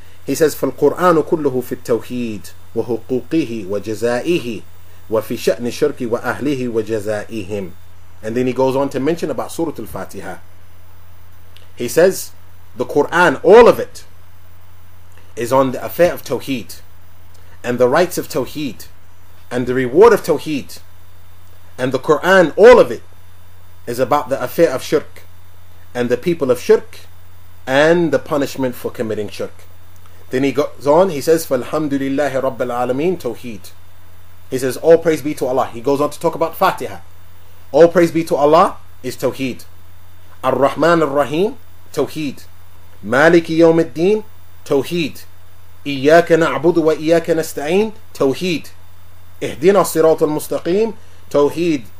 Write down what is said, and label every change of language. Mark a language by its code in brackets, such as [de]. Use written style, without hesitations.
[en] He says, [ar] فالقرآن كله في التوحيد وحقوقه وجزائه وفي شأن الشرك وأهله وجزائهم. [en] And then he goes on to mention about Surah Al-Fatiha. He says, the Quran, all of it, is on the affair of Tawheed, and the rights of Tawheed, and the reward of Tawheed. And the Quran, all of it, is about the affair of Shirk, and the people of Shirk, and the punishment for committing Shirk. Then he goes on, he says, [ar] فَالْحَمْدُ لِلَّهِ رَبَّ [en] Tawheed. He says, all praise be to Allah. He goes on to talk about Fatiha. All praise be to Allah is Tawheed. [ar] Ar-Rahman Ar-Rahim, Tawheed. Maliki Yawm Ad-Din, Tawheed. إِيَّاكَ نَعْبُدُ وَإِيَّاكَ نَسْتَعِينَ Tawheed. إِهْدِنَا الصِّرَاطَ الْمُسْتَقِيمَ Tawheed.